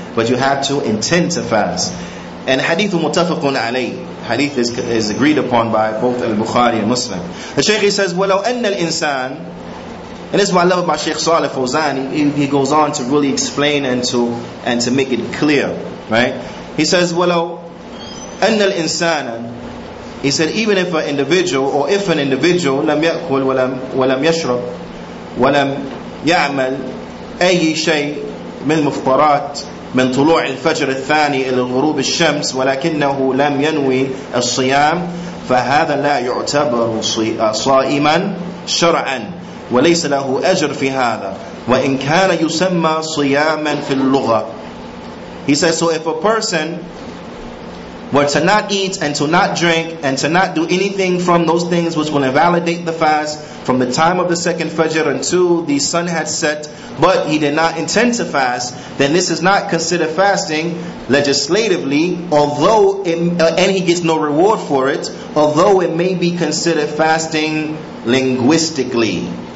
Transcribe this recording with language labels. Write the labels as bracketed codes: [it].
[en] But you have to intend to fast. And hadith muttafaqun alayh. Hadith is agreed upon by both al-Bukhari and Muslim. The Shaykh says, [ar] وَلَوْ أَنَّ الْإِنسَانَ [en] And this is what I love about Sheikh Saleh Fawzan. He goes on to really explain and to make it clear, right? He says, "Walau anna al-insana," he said, even if an individual, [ar] or if an individual, لم يأكل ولم يشرب ولم يعمل أي شيء من المفطرات من طلوع الفجر الثاني إلى غروب الشمس ولكنه لم ينوي الصيام فهذا لا يعتبر صائما شرعا وليس له أجر في هذا وإن كان يسمى صياما في اللغة. [en] He says, so if a person were to not eat and to not drink and to not do anything from those things which will invalidate the fast from the time of the second Fajr until the sun had set, but he did not intend to fast, then this is not considered fasting legislatively, although and he gets no reward for it, although it may be considered fasting linguistically.